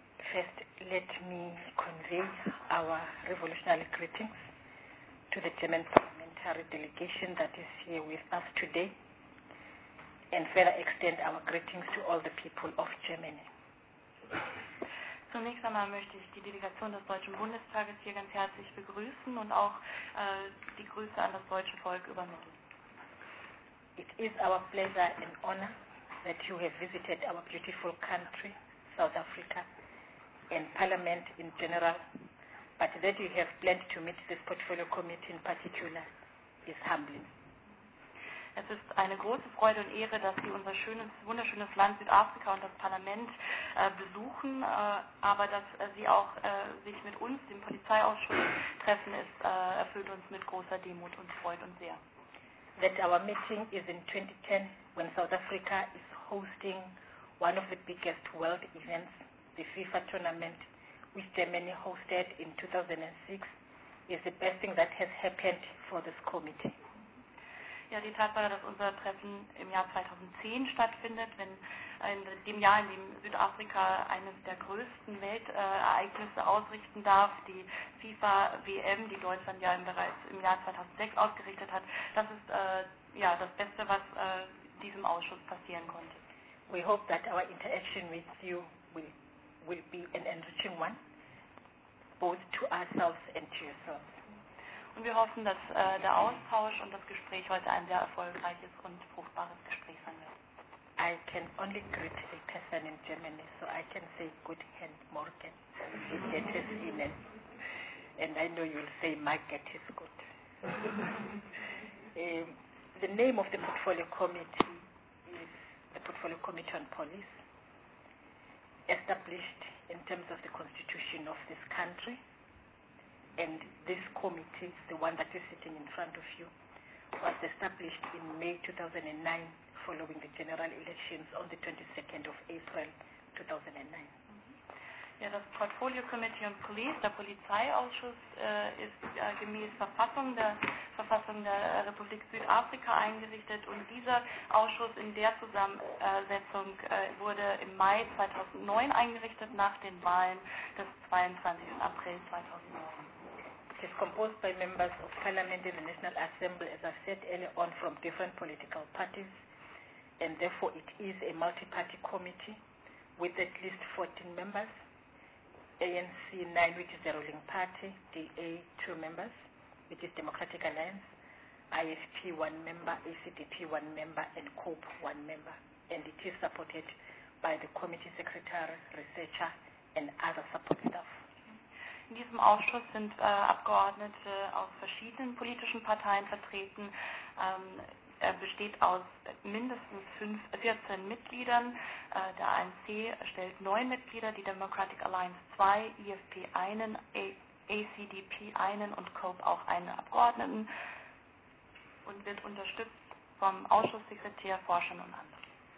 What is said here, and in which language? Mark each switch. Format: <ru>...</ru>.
<en>First, let me convey our revolutionary greetings to the German parliamentary delegation that is here with us today, and further extend our greetings to all the people of Germany.</en> <de>Zunächst einmal möchte ich die Delegation des Deutschen Bundestages hier ganz herzlich begrüßen und auch die Grüße an das deutsche Volk übermitteln.</de> <en>It is our pleasure and honor that you have visited our beautiful country, South Africa, and Parliament in general, but that you have planned to meet this portfolio committee in particular is humbling.</en> <de>Es ist eine große Freude und Ehre, dass Sie unser schönes, wunderschönes Land Südafrika und das Parlament besuchen, aber dass Sie auch sich mit uns, dem Polizeiausschuss, treffen, ist, erfüllt uns mit großer Demut und freut uns sehr.</de> <en>That our meeting is in 2010, when South Africa is hosting one of the biggest world events, the FIFA tournament, which Germany hosted in 2006, is the best thing that has happened for this committee.</en> <de>Ja, die Tatsache, dass unser Treffen im Jahr 2010 stattfindet, wenn in dem Jahr, in dem Südafrika eines der größten Weltereignisse ausrichten darf, die FIFA-WM, die Deutschland ja bereits im Jahr 2006 ausgerichtet hat, das ist ja das Beste, was diesem Ausschuss passieren konnte.</de> <en>We hope that our interaction with you will be an enriching one, both to ourselves and to yourself.</en> <de>Und wir hoffen, dass der Austausch und das Gespräch heute ein sehr erfolgreiches und fruchtbares Gespräch sein wird.</de> <en>I can only greet a person in Germany, so I can say good hand morgen. And I know you'll say my get is good. The name of the portfolio committee is the Portfolio Committee on Police, established in terms of the constitution of this country. And this committee, the one that is sitting in front of you, was established in May 2009, following the general elections on the 22nd of April 2009.</en> <de>Ja, das Portfolio Committee on Police, der Polizeiausschuss, ist gemäß Verfassung der Republik Südafrika eingerichtet. Und dieser Ausschuss in der Zusammensetzung wurde im Mai 2009 eingerichtet, nach den Wahlen des 22. April 2009.</de> <en>It is composed by members of Parliament in the National Assembly, as I said earlier on, from different political parties, and therefore it is a multi-party committee with at least 14 members, ANC 9, which is the ruling party, DA 2 members, which is Democratic Alliance, IFP 1 member, ACDP 1 member, and COPE 1 member, and it is supported by the committee secretary, researcher, and other support staff.</en> <de>In diesem Ausschuss sind Abgeordnete aus verschiedenen politischen Parteien vertreten. Er besteht aus mindestens 14 Mitgliedern. Der ANC stellt 9 Mitglieder, die Democratic Alliance 2, IFP einen, ACDP einen und COPE auch einen Abgeordneten und wird unterstützt vom Ausschusssekretär, Forschern und anderen.</de>